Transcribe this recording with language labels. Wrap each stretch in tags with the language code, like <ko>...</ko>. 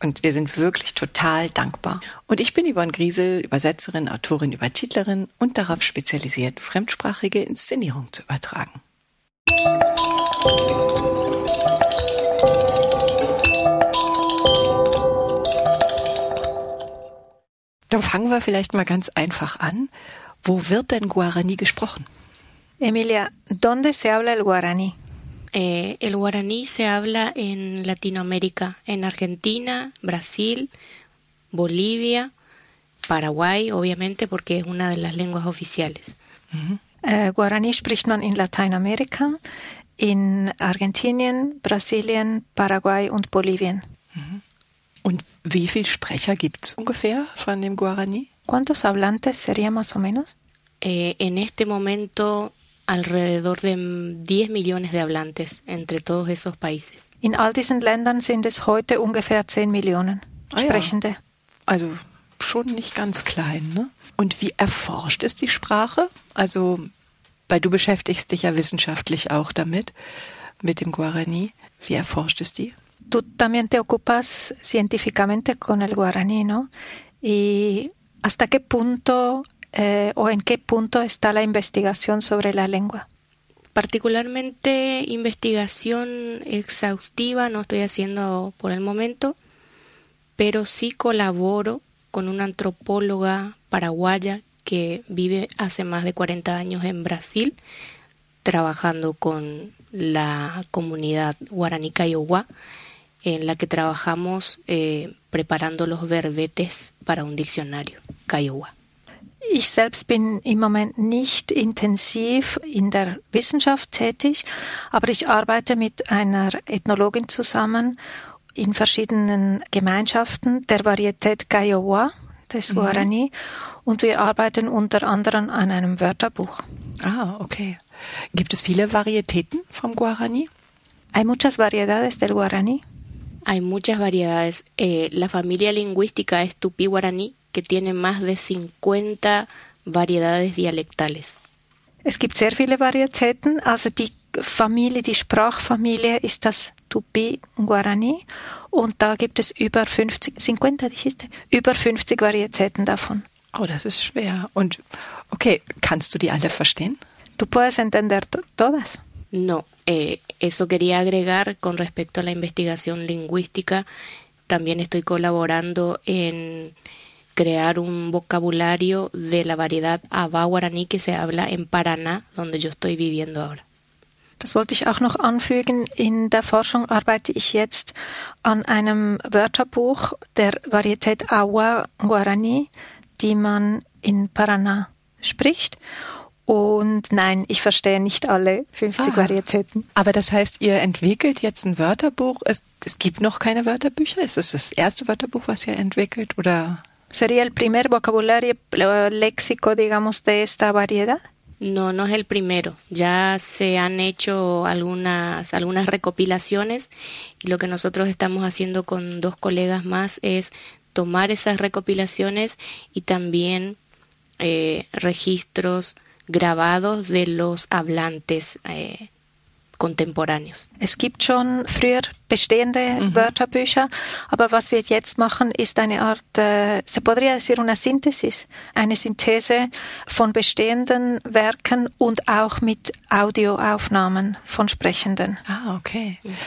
<de>Und wir sind wirklich total dankbar. Und ich bin Yvonne Griesel, Übersetzerin, Autorin, Übertitlerin und darauf spezialisiert, fremdsprachige Inszenierung zu übertragen. Dann fangen wir vielleicht mal ganz einfach an. Wo wird denn Guarani gesprochen?</de> <es>Emilia, ¿dónde se habla el Guarani? El Guarani se habla en Latinoamérica, en Argentina, Brasil, Bolivia, Paraguay, obviamente, porque es una de las lenguas oficiales.</es> <de>Guarani spricht man in Lateinamerika, in Argentinien, Brasilien, Paraguay und Bolivien. Und wie viele Sprecher gibt es ungefähr von dem Guarani?</de> <es>¿Cuántos hablantes sería más o menos? En este momento alrededor de 10 millones de hablantes entre todos esos países.</es> <de>In all diesen Ländern sind es heute ungefähr 10 Millionen Sprechende. Ja. Also schon nicht ganz klein, ne? Und wie erforscht ist die Sprache? Also, weil du beschäftigst dich ja wissenschaftlich auch damit, mit dem Guarani. Wie erforscht es die?</de> <es>Tú también te ocupas científicamente con el guaraní, ¿no? ¿Y hasta qué punto o en qué punto está la investigación sobre la lengua? Particularmente investigación exhaustiva no estoy haciendo por el momento, pero sí colaboro con una antropóloga paraguaya que vive hace más de 40 años en Brasil, trabajando con la comunidad guaraní Kaiowá, en la que trabajamos preparando los verbetes para un diccionario, Kaiowá.</es> <de>Ich selbst bin im Moment nicht intensiv in der Wissenschaft tätig, aber ich arbeite mit einer Ethnologin zusammen in verschiedenen Gemeinschaften der Varietät Kaiowá, des Guarani, und wir arbeiten unter anderem an einem Wörterbuch. Ah, okay. Gibt es viele Varietäten vom Guarani?</de> <es>Hay muchas variedades del Guarani. Hay muchas variedades. La familia lingüística es Tupí-Guaraní, que tiene más de 50 variedades dialectales.</es> <de>Es gibt sehr viele Varietäten. Also die Sprachfamilie ist das Tupí-Guaraní. Und da gibt es über 50 Varietäten davon. Oh, das ist schwer. Und okay, kannst du die alle verstehen?</de> <es>Tú puedes entender todas. No, eso quería agregar con respecto a la investigación lingüística. También estoy colaborando en crear un vocabulario de la variedad Abá-Guaraní que se habla en Paraná, donde yo estoy viviendo ahora.</es> <de>Das wollte ich auch noch anfügen. In der Forschung arbeite ich jetzt an einem Wörterbuch der Varietät Abá-Guaraní, die man in Paraná spricht. Und nein, ich verstehe nicht alle 50 Varietäten. Aber das heißt, ihr entwickelt jetzt ein Wörterbuch. Es gibt noch keine Wörterbücher? Ist es das erste Wörterbuch, was ihr entwickelt? Oder?</de> <es>¿Sería el primer vocabulario léxico, digamos, de esta variedad? No, no es el primero. Ya se han hecho algunas recopilaciones y lo que nosotros estamos haciendo con dos colegas más es tomar esas recopilaciones y también registros grabados de los hablantes contemporáneos.</es> <de>Es gibt schon früher bestehende Wörterbücher, aber was wir jetzt machen, ist eine Art,</de> <es>se podría decir una síntesis,</es> <de>eine Synthese von bestehenden Werken und auch mit Audioaufnahmen von Sprechenden. Ah, okay.</de>